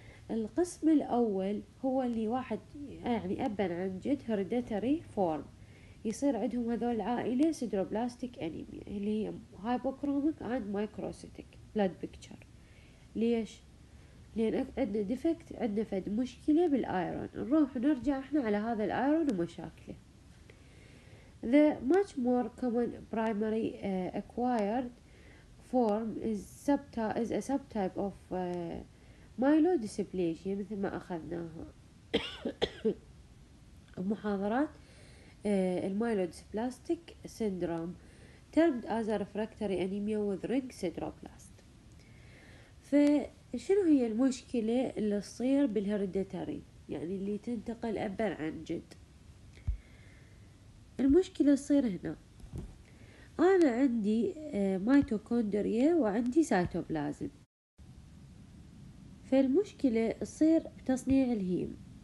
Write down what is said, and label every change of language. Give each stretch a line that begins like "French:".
Arabic: القسم الأول هو اللي واحد يعني أبا عن جد هيرديتري فورم، يصير عندهم هذول العائلة سيدروبلاستيك أنيميا اللي هي هايبوكروميك عند مايكروسيتيك بلاد بيكتشر. ليش؟ لأن عندنا ديفكت، عندنا فد مشكلة بالآيرون. نروح نرجع إحنا على هذا الآيرون ومشاكله.
English: The much more common primary acquired form is a subtype of myelodysplasia
Arabic: مثل ما أخذناها بمحاضرات المايلودسبلاستيك سيندروم
English: termed as a refractory anemia with ring sideroblast.
Arabic: فشنو هي المشكلة اللي تصير بالهيرديتري، يعني اللي تنتقل أبا عن جد؟ المشكلة تصير هنا، أنا عندي ميتوكوندريا وعندي سايتوبلازم، فالمشكلة تصير بتصنيع الهيم.